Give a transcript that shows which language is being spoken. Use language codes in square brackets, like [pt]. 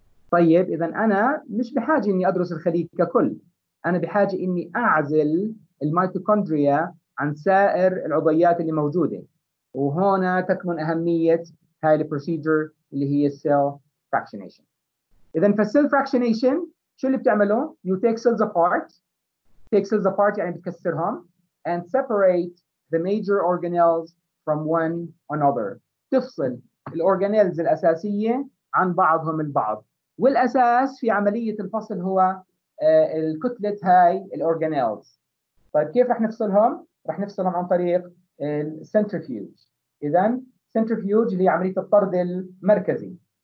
[ar] طيب اذا انا مش بحاجة اني ادرس الخليج ككل، انا بحاجة اني اعزل الميتوكوندريا عن سائر العضيات اللي موجودة، وهنا تكمن أهمية هاي البروسيجر اللي هي cell fractionation. إذن في cell fractionation شو اللي بتعمله؟ [en] You take cells apart. Take cells apart [ar] يعني بتكسرهم [en] and separate the major organelles from one another. [ar] تفصل الأورغانيلز الأساسية عن بعضهم البعض. والأساس في عملية الفصل هو الكتلة هاي الأورغانيلز. طيب كيف رح نفصلهم؟ رح نفصلهم عن طريق السنترفيوج. إذا سنترفيوج هي عملية الطرد المركزي.